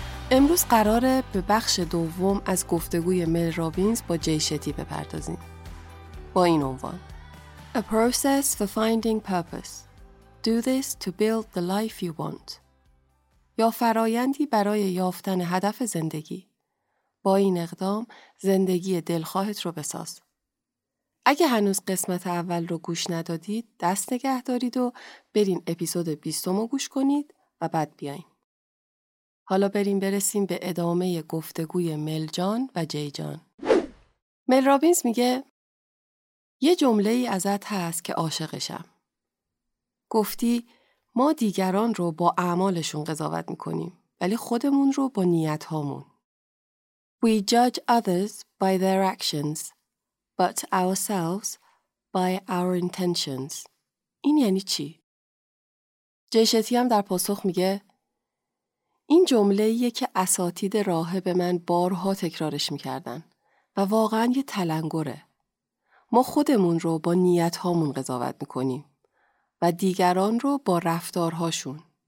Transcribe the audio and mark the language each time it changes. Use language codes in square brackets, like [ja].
[fa] امروز قراره به بخش دوم از گفتگوی مل رابینز با جی شتی بپردازیم. با این عنوان: [en] A process for finding purpose. Do this to build the life you want. [fa] یا فرایندی برای یافتن هدف زندگی. با این اقدام زندگی دلخواهت رو بساز. اگه هنوز قسمت اول رو گوش ندادید، دست نگه دارید و برین اپیزود 20 رو گوش کنید و بعد بیاین. حالا بریم برسیم به ادامه گفتگوی مل جان و جی جان. مل رابینز میگه: یه جمله ای ازت هست که عاشقشم. گفتی ما دیگران رو با اعمالشون قضاوت میکنیم، ولی خودمون رو با نیت هامون. [en] We judge others by their actions, but ourselves by our intentions. [fa] این یعنی چی؟ جی شتی هم در پاسخ میگه: این جمله‌ایه که اساتید راهه به من بارها تکرارش می‌کردن و واقعاً یه تلنگره. ما خودمون رو با نیت‌هامون قضاوت می‌کنیم و دیگران رو با رفتارهاشون.